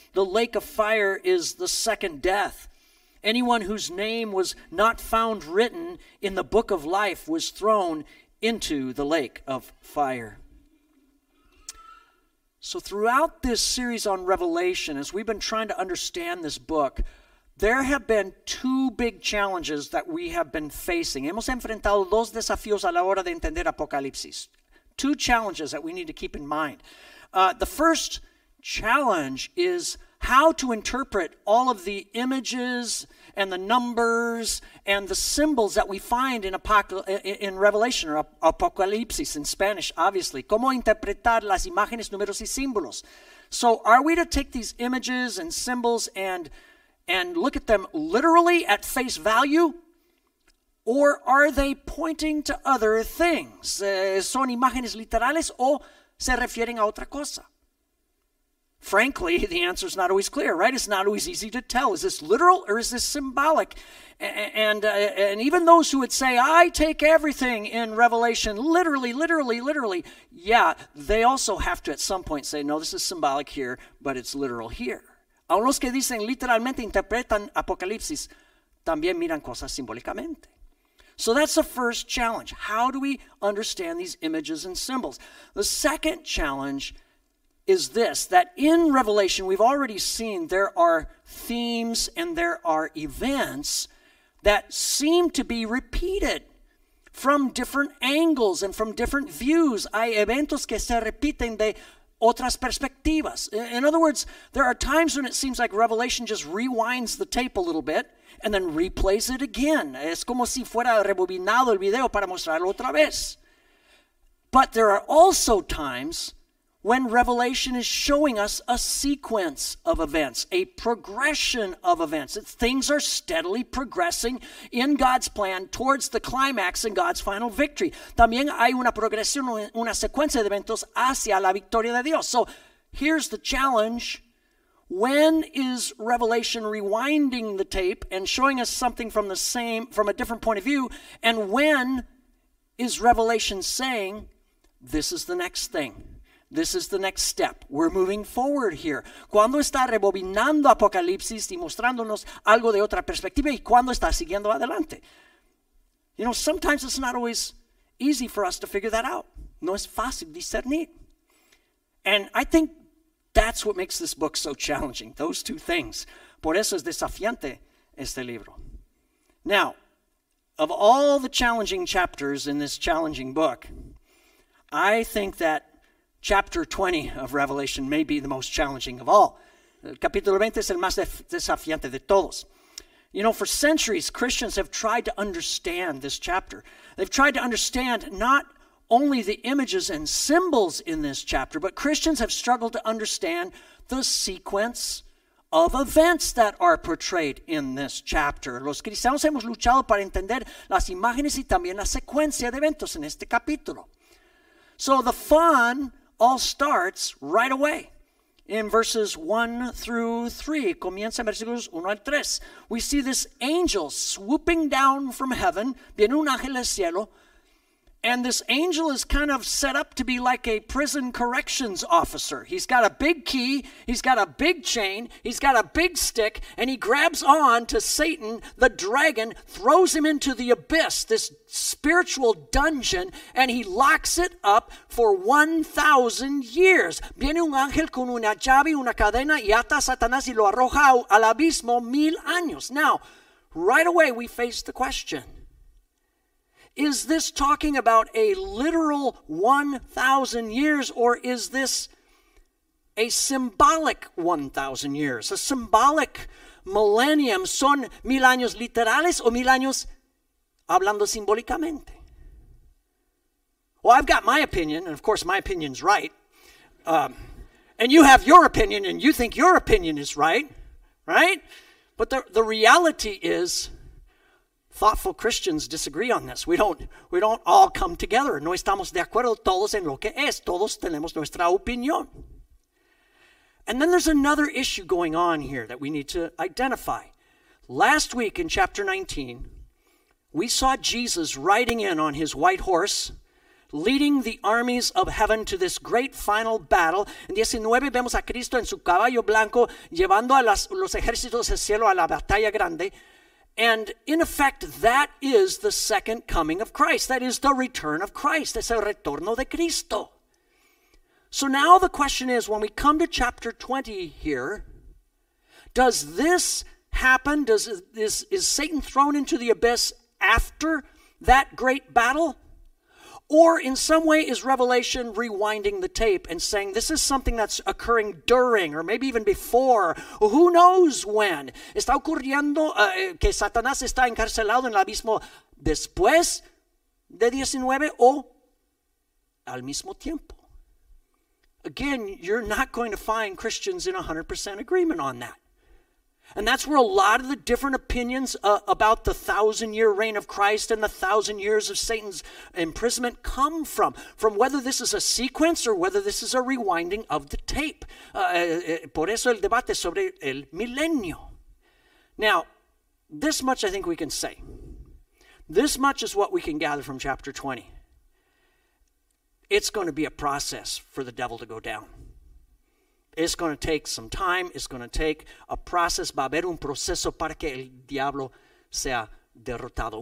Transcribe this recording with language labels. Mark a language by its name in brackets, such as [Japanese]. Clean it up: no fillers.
[English] The lake of fire is the second death. Anyone whose name was not found written in the book of life was thrown into the lake of fire. So throughout this series on Revelation, as we've been trying to understand this book, there have been two big challenges that we have been facing. [Spanish] Hemos enfrentado dos desafíos a la hora de entender Apocalipsis. [English] Two challenges that we need to keep in mind. The first challenge is, how to interpret all of the images and the numbers and the symbols that we find in Revelation or Apocalipsis in Spanish, obviously. [Spanish] ¿Cómo interpretar las imágenes, números y símbolos? [English] So are we to take these images and symbols and look at them literally at face value? Or are they pointing to other things? [Spanish] ¿Son imágenes literales o se refieren a otra cosa? [English] Frankly, the answer is not always clear, right? It's not always easy to tell. Is this literal or is this symbolic? And even those who would say, I take everything in Revelation literally, yeah, they also have to at some point say, no, this is symbolic here, but it's literal here. [Spanish] A unos que dicen literalmente interpretan Apocalipsis, también miran cosas simbólicamente. [English] So that's the first challenge. How do we understand these images and symbols? The second challenge is this, that in Revelation, we've already seen there are themes and there are events that seem to be repeated from different angles and from different views. [Spanish] Hay eventos que se repiten de otras perspectivas. [English] In other words, there are times when it seems like Revelation just rewinds the tape a little bit and then replays it again. [Spanish] Es como si fuera rebobinado el video para mostrarlo otra vez. [English] But there are also times when Revelation is showing us a sequence of events, a progression of events. It's, things are steadily progressing in God's plan towards the climax and God's final victory. [Spanish] También hay una progresión, una secuencia de eventos hacia la victoria de Dios. [English] So here's the challenge. When is Revelation rewinding the tape and showing us something from the same, from a different point of view? And when is Revelation saying, this is the next thing? This is the next step. We're moving forward here. [Spanish] ¿Cuándo está rebobinando Apocalipsis y mostrándonos algo de otra perspectiva? ¿Y cuándo está siguiendo adelante? [English] You know, sometimes it's not always easy for us to figure that out. [Spanish] No es fácil discernir. [English] And I think that's what makes this book so challenging, those two things. [Spanish] Por eso es desafiante este libro. [English] Now, of all the challenging chapters in this challenging book, I think that chapter 20 of Revelation may be the most challenging of all. [Spanish] El capítulo 20 es el más desafiante de todos. [English] You know, for centuries, Christians have tried to understand this chapter. They've tried to understand not only the images and symbols in this chapter, but Christians have struggled to understand the sequence of events that are portrayed in this chapter. [Spanish] Los cristianos hemos luchado para entender las imágenes y también la secuencia de eventos en este capítulo. [English] So the fun all starts right away in verses 1 through 3. [Spanish] Comienza en versículos 1 al 3. [English] We see this angel swooping down from heaven. [Spanish] Viene un ángel del cielo. [English] And this angel is kind of set up to be like a prison corrections officer. He's got a big key, he's got a big chain, he's got a big stick, and he grabs on to Satan, the dragon, throws him into the abyss, this spiritual dungeon, and he locks it up for 1,000 years. [Spanish] Viene un ángel con una llave, una cadena, y ata a Satanás y lo arroja al abismo 1,000 años. [English] Now, right away we face the question. Is this talking about a literal 1,000 years, or is this a symbolic 1,000 years, a symbolic millennium? [Spanish] ¿Son 1,000 años literales o 1,000 años hablando simbólicamente? [English] Well, I've got my opinion, and of course my opinion's right. And you have your opinion, and you think your opinion is right, right? But the reality is, thoughtful Christians disagree on this. We don't all come together. [Spanish] No estamos de acuerdo todos en lo que es. Todos tenemos nuestra opinión. [English] And then there's another issue going on here that we need to identify. Last week in chapter 19, we saw Jesus riding in on his white horse, leading the armies of heaven to this great final battle. [Spanish] En 19 vemos a Cristo en su caballo blanco llevando a los ejércitos del cielo a la batalla grande. [English] And in effect, that is the second coming of Christ. That is the return of Christ. [Spanish] Es el retorno de Cristo. [English] So now the question is, when we come to chapter 20 here, does this happen? Is Satan thrown into the abyss after that great battle? Or in some way is Revelation rewinding the tape and saying this is something that's occurring during or maybe even before? Who knows when? [Spanish] Está ocurriendo que Satanás está encarcelado en el abismo después de 19 o al mismo tiempo. [English] Again, you're not going to find Christians in 100% agreement on that. And that's where a lot of the different opinions about the thousand-year reign of Christ and the thousand years of Satan's imprisonment come from whether this is a sequence or whether this is a rewinding of the tape. [Spanish] Por eso el debate sobre el milenio. [English] Now, this much I think we can say. This much is what we can gather from chapter 20. It's going to be a process for the devil to go down. It's going to take some time. It's going to take a process. [Spanish] Va a haber un proceso para que el diablo sea derrotado.